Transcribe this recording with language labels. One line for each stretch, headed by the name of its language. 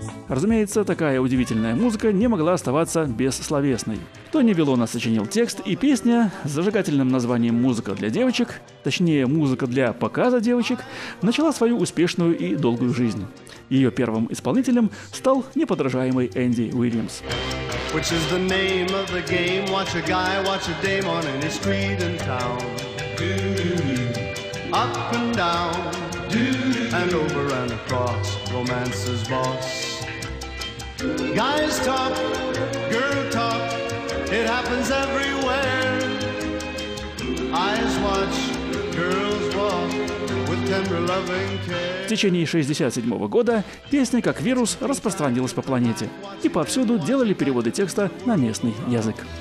Russian: Разумеется, такая удивительная музыка не могла оставаться бессловесной. Тони Виллона сочинил текст и песня с зажигательным названием «Музыка для девочек», точнее, «Музыка для показа девочек», начала свою успешную и долгую жизнь. Ее первым исполнителем стал неподражаемый Энди Уильямс.
English: Which is the name of the game? Watch a guy, watch a dame on any street in town. Up and down, and over and across, romance's boss. Guys talk, girl talk, it happens everywhere. Eyes watch, girls walk with tender loving care.
Russian: В течение 67 года песня как вирус распространилась по планете, и повсюду делали переводы текста на местный язык.